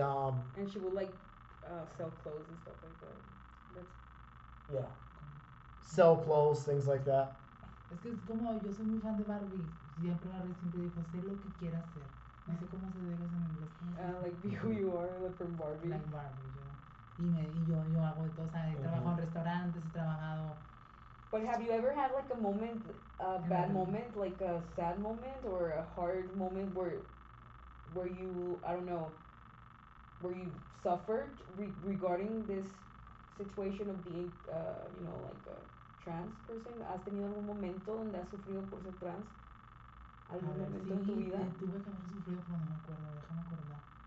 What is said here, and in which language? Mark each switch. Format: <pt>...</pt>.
<en>and she will like sell clothes and stuff like that. That's yeah. Sell clothes, things like that.</en> <es>Es que es como yo soy muy fan de Barbie. Siempre la red siempre dijo, sé lo que quieras ser. No sé cómo se diga eso en inglés.</es> <en>Like, be who you are, like from Barbie. Like Barbie, yo.</en> <es>Y yo hago de todo, o sea, he trabajado en restaurantes, he trabajado.</es> <en>But have you ever had like a moment, a bad moment, like a sad moment or a hard moment where you, I don't know, where you suffered regarding this situation of being, you know, like a trans person?</en> <es>¿Has tenido algún momento donde has sufrido por ser trans? ¿Algún momento en tu vida? Sí, tuve que haber sufrido, pero no me acuerdo, déjame acordar.</es>